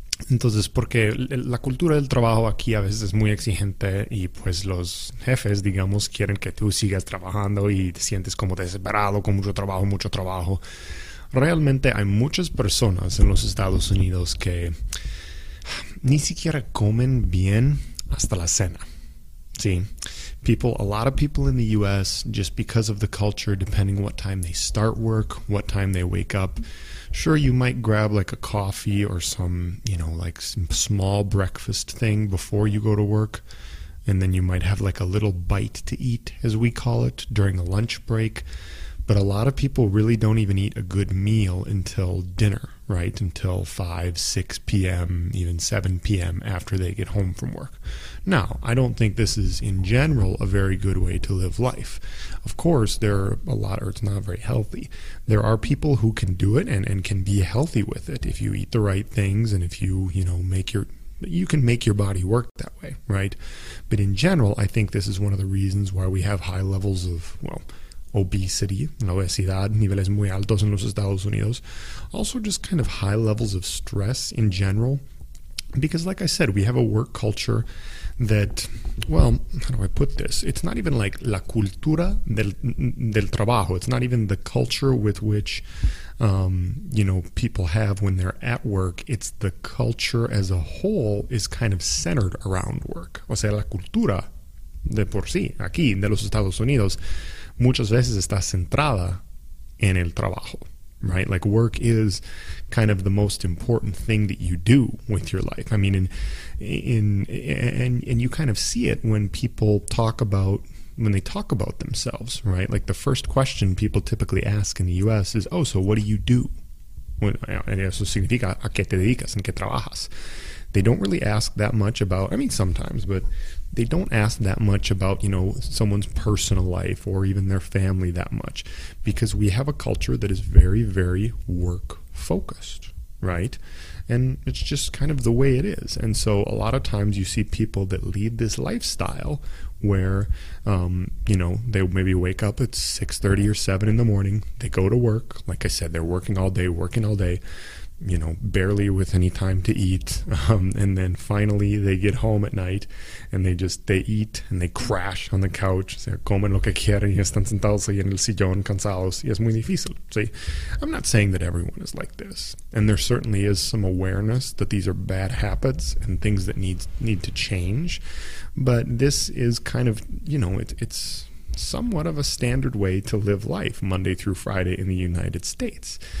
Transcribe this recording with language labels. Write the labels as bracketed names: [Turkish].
[Spanish] Entonces, porque la cultura del trabajo aquí a veces es muy exigente y pues los jefes, digamos, quieren que tú sigas trabajando y te sientes como desesperado con mucho trabajo, mucho trabajo. Realmente hay muchas personas en los Estados Unidos que ni siquiera comen bien hasta la cena. Sí. [English] People, a lot of people in the U.S., just because of the culture, depending what time they start work, what time they wake up, sure, you might grab like a coffee or some, you know, like some small breakfast thing before you go to work. And then you might have like a little bite to eat, as we call it, during a lunch break. But a lot of people really don't even eat a good meal until dinner, right? Until 5, 6 p.m., even 7 p.m. after they get home from work. Now, I don't think this is, in general, a very good way to live life. Of course, there are a lot, or it's not very healthy. There are people who can do it and can be healthy with it if you eat the right things and if you, you know, make your... You can make your body work that way, right? But in general, I think this is one of the reasons why we have high levels of, well... [Spanish] obesity, la obesidad, niveles muy altos en los Estados Unidos. [English] Also just kind of high levels of stress in general. Because like I said, we have a work culture that, well, how do I put this? It's not even like [Spanish] la cultura del trabajo. [English] It's not even the culture with which, you know, people have when they're at work. It's the culture as a whole is kind of centered around work. [Spanish] O sea, la cultura de por sí, aquí, de los Estados Unidos, muchas veces está centrada en el trabajo, right? [English] Like work is kind of the most important thing that you do with your life. I mean, and you kind of see it when people talk about, when they talk about themselves, right? Like the first question people typically ask in the U.S. is, oh, so what do you do? And [Spanish] eso significa, ¿a qué te dedicas? ¿En qué trabajas? [English] They don't really ask that much about, I mean, sometimes, but they don't ask that much about, you know, someone's personal life or even their family that much, because we have a culture that is very, very work focused, right? And it's just kind of the way it is. And so a lot of times you see people that lead this lifestyle where, you know, they maybe wake up at 6:30 or 7 in the morning, they go to work. Like I said, they're working all day. You know, barely with any time to eat, and then finally they get home at night, and they eat and they crash on the couch. [Spanish] Se comen lo que quieren y están sentados ahí en el sillón cansados. Y es muy difícil. [English] See, I'm not saying that everyone is like this, and there certainly is some awareness that these are bad habits and things that need to change. But this is kind of, you know, it's somewhat of a standard way to live life Monday through Friday in the United States.